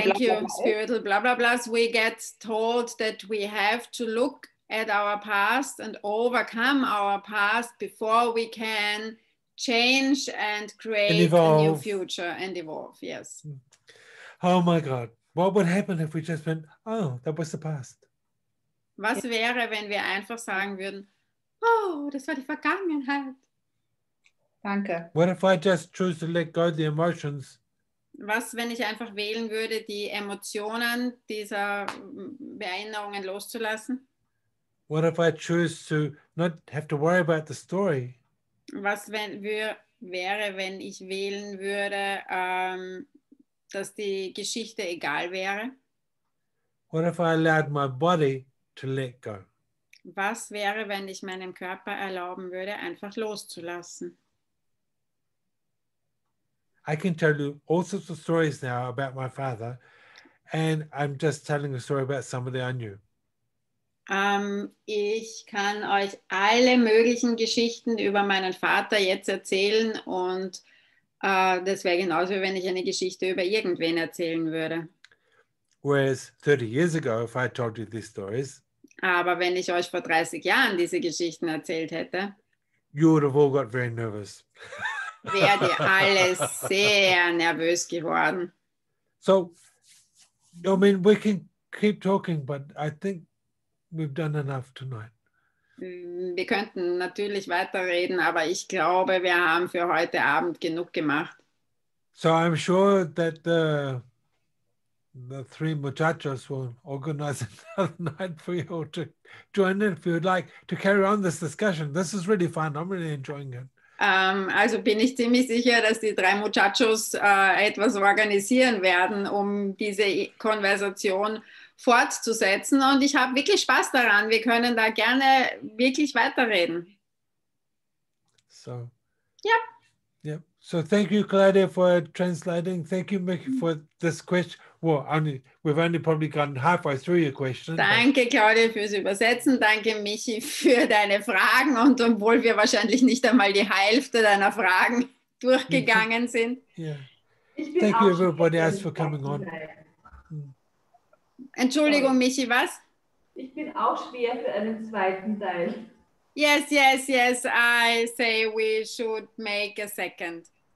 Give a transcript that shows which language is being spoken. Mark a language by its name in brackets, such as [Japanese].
[English] thank you, spiritual blah blah blahs, we get told that we have to look at our past and overcome our past before we can change and create a new future and evolve, yes. Oh my God, what would happen if we just went, oh, that was the past? [German] Was wäre, wenn wir einfach sagen würden, oh, das war die Vergangenheit. Danke. [English] What if I just choose to let go of the emotions? [German] Was, wenn ich einfach wählen würde, die Emotionen dieser Erinnerungen loszulassen? [English] What if I choose to not have to worry about the story? [German] Was wenn, wäre, wenn ich wählen würde, dass die Geschichte egal wäre? [English] What if I allowed my body to let go? [German] Was wäre, wenn ich meinem Körper erlauben würde, einfach loszulassen? [English] I can tell you all sorts of stories now about my father, and I'm just telling a story about somebody I knew. [German] Ich kann euch alle möglichen Geschichten über meinen Vater jetzt erzählen, und das wäre genauso, wie wenn ich eine Geschichte über irgendwen erzählen würde. [English] Whereas 30 years ago, if I told you these stories, [German] aber wenn ich euch vor 30 Jahren diese Geschichten erzählt hätte, [English] you would have all got very nervous. [German] Wärt ihr alle sehr nervös geworden. [English] So, I mean, we can keep talking, but I think we've done enough tonight. [German] Wir könnten natürlich weiterreden, aber ich glaube, wir haben für heute Abend genug gemacht. [English] So I'm sure that the three muchachos will organize another night for you all to join in if you'd like to carry on this discussion. This is really fun. I'm really enjoying it. [German] Also bin ich ziemlich sicher, dass die drei Muchachos etwas organisieren werden, um diese Konversation fortzusetzen. Und ich habe wirklich Spaß daran. Wir können da gerne wirklich weiterreden. [English] So. [German] Ja. [English] Yeah. So thank you, Claudia, for translating. Thank you, Mick, for this question. Well, we've only probably gotten halfway through your question. [German] Danke, Claudia, fürs Übersetzen. Danke, Michi, für deine Fragen. Und obwohl wir wahrscheinlich nicht einmal die Hälfte deiner Fragen durchgegangen sind. [English] Yeah. Thank you, everybody else, for coming on. [German] Entschuldigung, Michi, was? Ich bin auch schwer für einen zweiten Teil. [English] Yes, yes, yes. I say we should make a second.